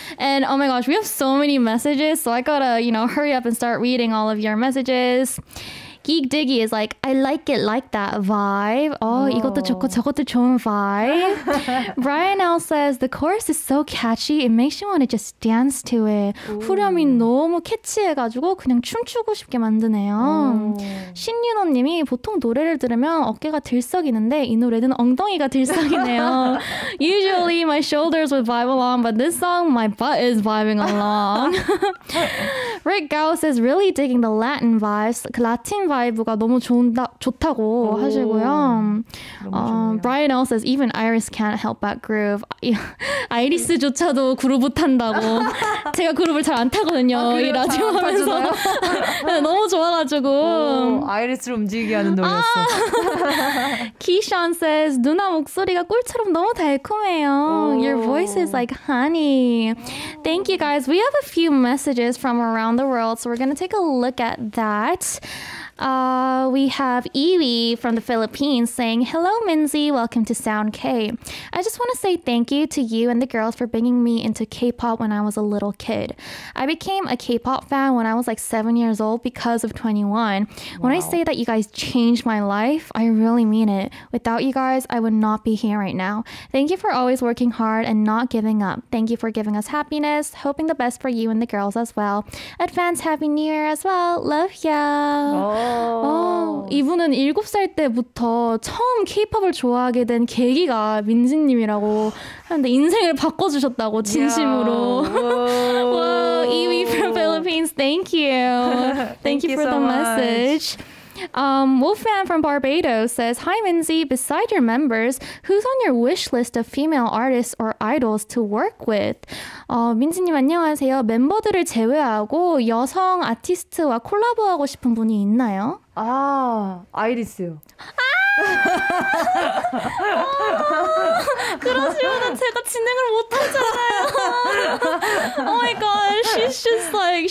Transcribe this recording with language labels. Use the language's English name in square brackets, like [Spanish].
[English] And oh my gosh, we have so many messages. So I gotta, you know, hurry up and start reading all of your messages. Geek Diggy is like, I like it like that vibe. [Korean] Oh, 이것도 좋고 저것도 좋은 vibe. [English] Brian L says, the chorus is so catchy. It makes you want to just dance to it. [Korean] 후렴이 너무 캐치해가지고 그냥 춤추고 싶게 만드네요. 신윤호 님이 보통 노래를 들으면 어깨가 들썩이는데 이 노래는 엉덩이가 들썩이네요. [English] Usually my shoulders would vibe along, but this song, my butt is vibing along. Rick Gao says, really digging the Latin vibes. [Korean] 그 라틴 vibe가 너무 좋다고 하시고요. [English] Brian L says, even Iris can't help but groove. [Korean] 아이리스조차도 그루브 탄다고. 제가 그루브를 잘 안 타거든요. 이 라디오 하면서. 너무 좋아가지고. 아이리스를 움직이게 하는 노래였어. [English] Keyshawn says, [Korean] 누나 목소리가 꿀처럼 너무 달콤해요. [English] Your voice is like honey. Thank you guys. We have a few messages from around the world, so we're going to take a look at that. We have Ewi from the Philippines saying, hello, Minzy. Welcome to Sound K. I just want to say thank you to you and the girls for bringing me into K-pop when I was a little kid. I became a K-pop fan when I was like 7 years old because of 21. Wow. When I say that you guys changed my life, I really mean it. Without you guys, I would not be here right now. Thank you for always working hard and not giving up. Thank you for giving us happiness. Hoping the best for you and the girls as well. Advance Happy New Year as well. Love ya. Wow. [Korean] 이분은 7살 때부터 처음 케이팝을 좋아하게 된 계기가 민지님이라고 하는데 인생을 바꿔주셨다고 진심으로. [English] Yeah. Whoa. Whoa, Ewi from Philippines, thank you. Thank you for so the much. Message. Wolfman from Barbados says, hi Minzy, beside your members, who's on your wish list of female artists or idols to work with? [Korean] 민지님 안녕하세요. 멤버들을 제외하고 여성 아티스트와 콜라보하고 싶은 분이 있나요? 아이리스요. 그러시면 제가 진행을 못하잖아요. [English] Oh my gosh, she's just like,